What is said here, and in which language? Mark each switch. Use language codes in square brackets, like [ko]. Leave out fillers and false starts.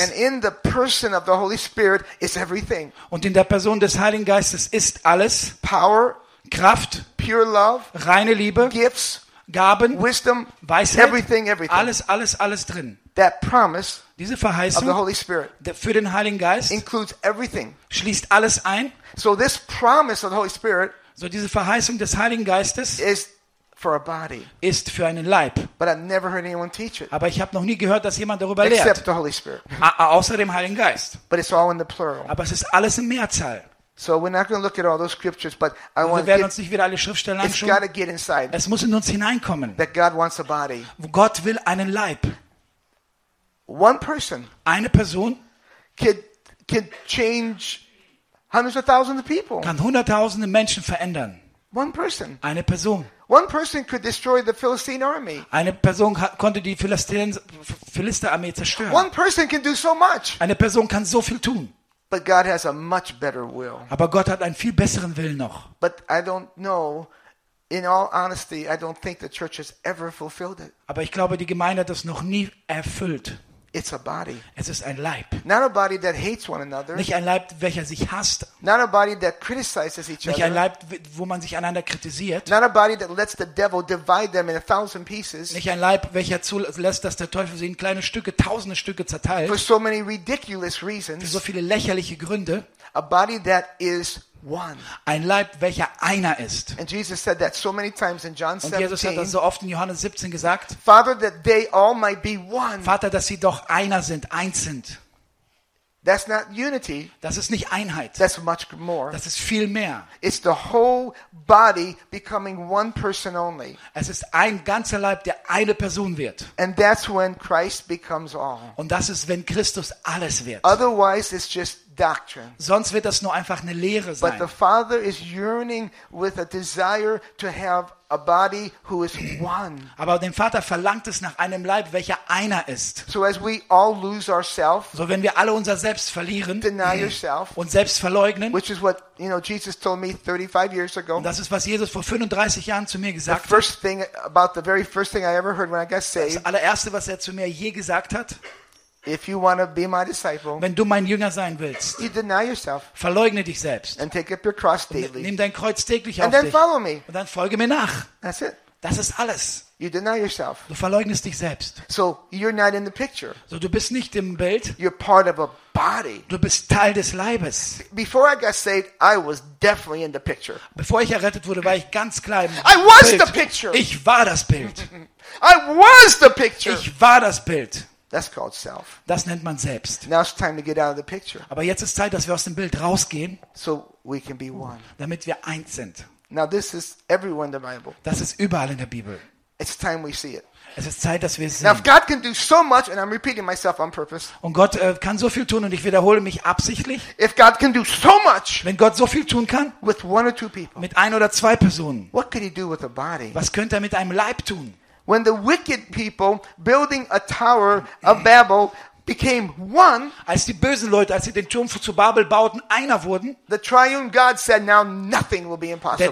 [en] And in the person of the Holy Spirit is everything. [de] Und in der Person des Heiligen Geistes ist alles. [en] Power. [de] Kraft, [en] pure love, [de] reine Liebe, [en] gifts, [de] Gaben, [en] wisdom, [de] Weisheit, [en] everything, [de] alles drin. [en] That promise, [de] diese Verheißung [en] of the Holy Spirit, [de] für den Heiligen Geist, [en] includes everything, [de] schließt alles ein. [en] So this promise of the Holy Spirit, [de] so diese Verheißung des Heiligen Geistes, ist für einen Leib. [en] But I've never heard anyone teach it. [de] Aber ich habe noch nie gehört, dass jemand darüber lehrt. [en] Except the Holy Spirit. [de] Außer dem Heiligen Geist. [en] But it's all in the plural. [de] Aber es ist alles im Mehrzahl. [en] So we're not going to look at all those scriptures, but I want to. [de] Wir werden uns nicht wieder alle Schriftstellen anschauen. [en] It's got to get inside. [de] Es muss in uns hineinkommen. [en] That God wants a body. [de] Gott will einen Leib. [en] One person. [de] Eine Person. [en] Can change hundreds of thousands of people. [de] Kann hunderttausende Menschen verändern. [en] One person. [de] Eine Person. [en] One person could destroy the Philistine army. [de] Eine Person konnte die Philisterarmee zerstören. [en] One person can do so much. [de] Eine Person kann so viel tun. [en] But God has a much better will. [de] Aber Gott hat einen viel besseren Willen noch. [en] But I don't know, in all honesty, I don't think the church has ever fulfilled it. [de] Aber ich glaube, die Gemeinde hat das noch nie erfüllt. [en] It's a body. [de] Es ist ein Leib. [en] Not a body that hates one another. [de] Nicht ein Leib, welcher sich hasst. [en] Not a body that criticizes each other. [de] Nicht ein Leib, wo man sich einander kritisiert. [en] Not a body that lets the devil divide them in a thousand pieces. [de] Nicht ein Leib, welcher zulässt, dass der Teufel sie in kleine Stücke, tausende Stücke zerteilt. [en] For so many ridiculous reasons. [de] Für so viele lächerliche Gründe. [en] A body that is one. [de] Ein Leib, welcher einer ist. [en] And Jesus said that so many times in John 17. [de] Und Jesus hat das so oft in Johannes 17 gesagt. [en] Father, that they all might be one. [de] Vater, dass sie doch einer sind, eins sind. [en] That's not unity. [de] Das ist nicht Einheit. [en] That's much more. [de] Das ist viel mehr. [en] It's the whole body becoming one person only. [de] Es ist ein ganzer Leib, der eine Person wird. [en] And that's when Christ becomes all. [de] Und das ist, wenn Christus alles wird. [en] Otherwise, it's just doctrine. [de] Sonst wird das nur einfach eine Lehre sein. [en] But the Father is yearning with a desire to have a body who is one. [de] Aber dem Vater verlangt es nach einem Leib, welcher einer ist. [en] So as we all lose ourselves. [de] So wenn wir alle unser Selbst verlieren. [en] Deny yourself. [de] Und selbst verleugnen. [en] Which is what, you know, Jesus told me 35 years ago. [de] Und das ist, was Jesus vor 35 Jahren zu mir gesagt hat. [en] The very first thing I ever heard when I got saved. [de] Das allererste, was er zu mir je gesagt hat. [en] If you want to be my disciple, [de] wenn du mein Jünger sein willst, [en] you deny yourself, [de] verleugne dich selbst, [en] and take up your cross daily, [de] nimm dein Kreuz täglich [en] and then [de] dich, [en] follow me. [de] Und dann folge mir nach. [en] That's it. [de] Das ist alles. [en] You deny yourself. [de] Du verleugnest dich selbst. [en] So you're not in the picture. [de] So du bist nicht im Bild. [en] You're part of a body. [de] Du bist Teil des Leibes. [en] Before I got saved, I was definitely in the picture. [de] Bevor ich errettet wurde, war ich ganz klar im [en] I was Bild. The picture. [de] Ich war das Bild. [en] I was the picture. [de] Ich war das Bild. [en] That's called self. [de] Das nennt man selbst. [en] Now it's time to get out of the picture. [de] Aber jetzt ist Zeit, dass wir aus dem Bild rausgehen. [en] So we can be one. [de] Damit wir eins sind. [en] Now this is everywhere in the Bible. [de] Das ist überall in der Bibel. [en] It's time we see it. [de] Es ist Zeit, dass wir es sehen. [en] Now if God can do so much, and I'm repeating myself on purpose. [de] Und Gott kann so viel tun, und ich wiederhole mich absichtlich. [en] If God can do so much. [de] Wenn Gott so viel tun kann. [en] With one or two people. [de] Mit ein oder zwei Personen. [en] What could he do with a body? [de] Was könnte er mit einem Leib tun? [en] When the wicked people building a tower of Babel became one, [de] als die bösen Leute, als sie den Turm zu Babel bauten, einer wurden, [en] the triune God said, now nothing will be impossible.